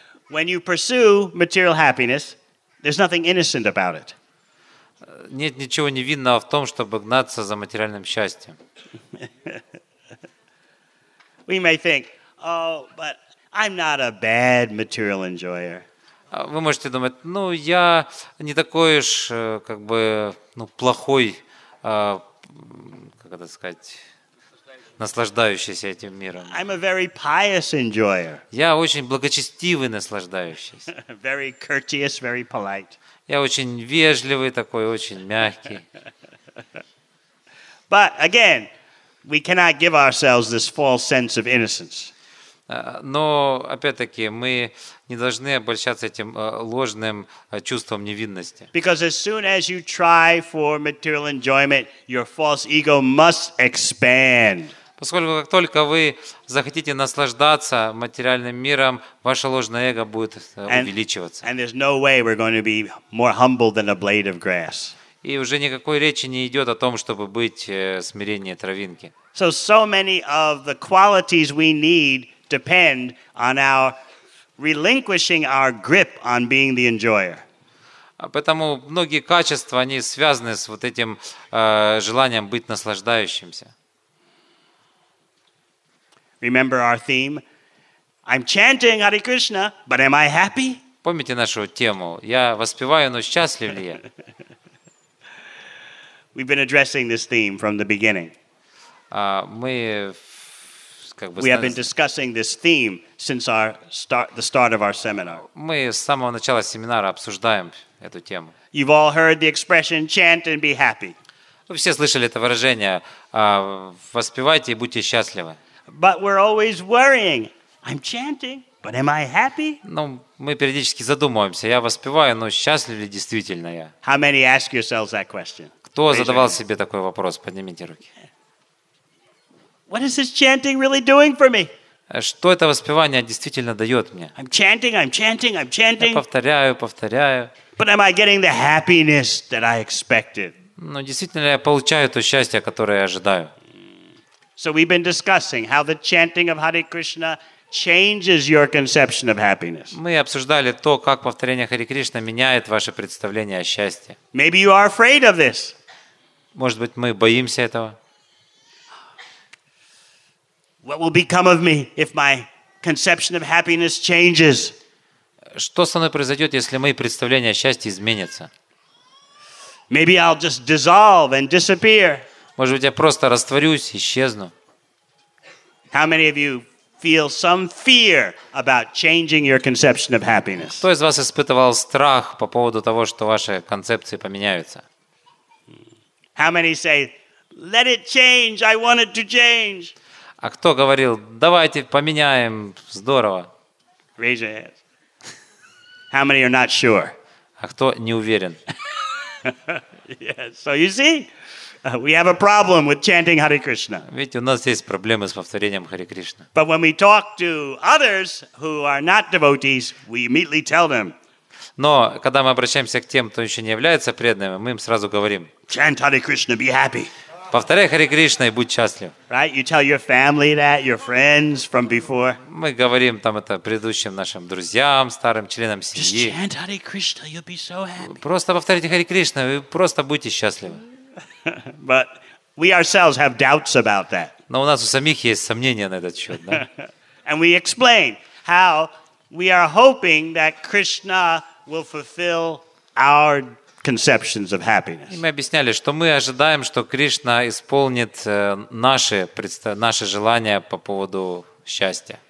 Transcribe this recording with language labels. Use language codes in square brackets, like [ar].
[en] When you pursue material happiness, there's nothing innocent about it. [ru] Нет ничего невинного в том, чтобы гнаться за материальным счастьем. [en] We may think, oh, but I'm not a bad material enjoyer. [ru] Вы можете думать, ну, я не такой уж, как бы, ну, плохой, как это сказать, наслаждающийся этим миром. [en] I'm a very pious enjoyer. [ru] Я очень благочестивый наслаждающийся. [en] Very courteous, very polite. [ru] Я очень вежливый такой, очень мягкий. [en] But again, we cannot give ourselves this false sense of innocence. [ru] Но, опять-таки, мы не должны обольщаться этим ложным чувством невинности. [en] Because as soon as you try for material enjoyment, your false ego must expand. [ru] Поскольку как только вы захотите наслаждаться материальным миром, ваше ложное эго будет увеличиваться. [en] And there's no way we're going to be more humble than a blade of grass. [ru] И уже никакой речи не идет о том, чтобы быть смиреннее травинки. [en] So many of the qualities we need depend on our relinquishing our grip on being the enjoyer. [ru] Поэтому многие качества, они связаны с вот этим желанием быть наслаждающимся. [en] Remember our theme? I'm chanting Hare Krishna, but am I happy? [ru] Помните нашу тему? Я воспеваю, но счастлив ли я? [en] We've been addressing this theme from the beginning. We have been discussing this theme since the start of our seminar. [ru] Мы с самого начала семинара обсуждаем эту тему. [en] You've all heard the expression chant and be happy. [ru] Вы все слышали это выражение: воспевайте и будьте счастливы. [en] But we're always worrying. I'm chanting, but am I happy? [ru] Ну, мы периодически задумываемся. Я воспеваю, но счастлив ли действительно я? [en] How many ask yourselves that question? [ru] Кто задавал себе такой вопрос? Поднимите руки. [en] What is this chanting really doing for me? [ru] Что это воспевание действительно дает мне? [en] I'm chanting, I'm chanting, I'm chanting. [ru] Я повторяю, повторяю. [en] But am I getting the happiness that I expected? [ru] Ну, действительно ли я получаю то счастье, которое я ожидаю? [en] So we've been discussing how the chanting of Hare Krishna changes your conception of happiness. [ru] Мы обсуждали то, как повторение Хари Кришна меняет ваше представление о счастье. [en] Maybe you are afraid of this. [ru] Может быть, мы боимся этого. [en] What will become of me if my conception of happiness changes? [ru] Что со мной произойдет, если мои представления о счастье изменятся? [en] Maybe I'll just dissolve and disappear. [ru] Может быть, я просто растворюсь, исчезну. [en] How many of you feel some fear about changing your conception of happiness? [ru] Кто из вас испытывал страх по поводу того, что ваши концепции поменяются? [en] How many say, "Let it change, I want it to change"? [ru] А кто говорил, давайте поменяем, здорово? [en] Raise your hands. How many are not sure? [ru] А кто не уверен? [en] Yes. So you see, we have a problem with chanting Hare Krishna. [ru] Ведь у нас есть проблемы с повторением Хари Кришна. [en] But when we talk to others who are not devotees, we immediately tell them. [ru] Но когда мы обращаемся к тем, кто еще не является преданными, мы им сразу говорим. [en] Chant Hare Krishna, be happy. [ru] Повторяй Хари Кришна и будь счастлив. [en] Right? You tell your family that, your friends from before. [ru] Мы говорим там это предыдущим нашим друзьям, старым членам семьи. [en] Just chant Hare Krishna, you'll be so happy. [ru] Просто повторите Хари Кришна и просто будьте счастливы. [en] But we ourselves have doubts about that. [ru] Но у нас у самих есть сомнения на этот счет, да? [en] And we explain how we are hoping that Krishna will fulfill our conceptions of happiness. [ru] И мы объясняли, что мы ожидаем, что Кришна исполнит наши желания по поводу счастья.